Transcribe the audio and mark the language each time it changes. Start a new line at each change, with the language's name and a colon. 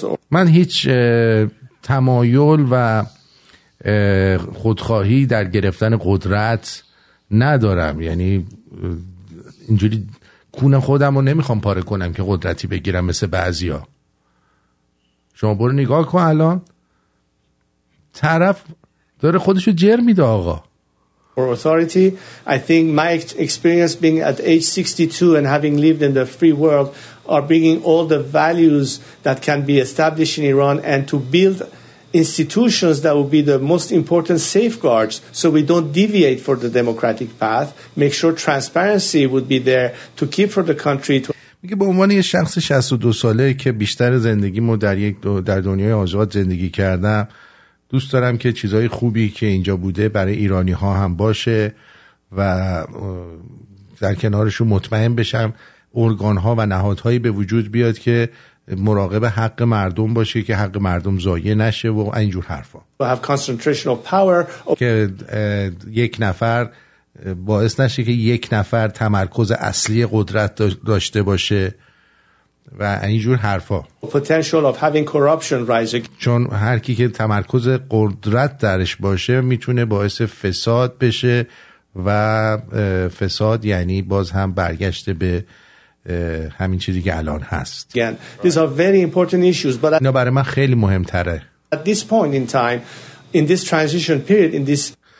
Persian: من هیچ تمایل و خودخواهی در گرفتن قدرت ندارم، یعنی اینجوری کونم خودم رو نمیخوام پاره کنم که قدرتی بگیرم مثل بعضیا. شما برو نگاه کن الان طرف داره خودشو جر میده آقا.
English: For authority, I think my experience being at age 62 and having lived in the free world are bringing all the values that can be established in Iran and to build institutions that will be the most important safeguards so we don't deviate for the democratic path. Make sure transparency would be there to keep for the country.
Persian: میگه به عنوان یه شخص 62 ساله که بیشتر زندگیمو در در دنیای آزاد زندگی کردم، دوست دارم که چیزهای خوبی که اینجا بوده برای ایرانی ها هم باشه و در کنارشون مطمئن بشم ارگان ها و نهادهایی به وجود بیاد که مراقب حق مردم باشه که حق مردم ضایع نشه و اینجور حرفا. که یک نفر باعث نشه که یک نفر تمرکز اصلی قدرت داشته باشه و اینجور حرفا.
English: Potential of having corruption rise.
Persian: چون هر کی که تمرکز قدرت درش باشه میتونه باعث فساد بشه و فساد یعنی باز هم برگشته به همین چیزی که الان هست.
English: Again, these are very important issues, but
Persian: اینا برای من خیلی مهمتره.
English: At this point in time, in this transition period, in this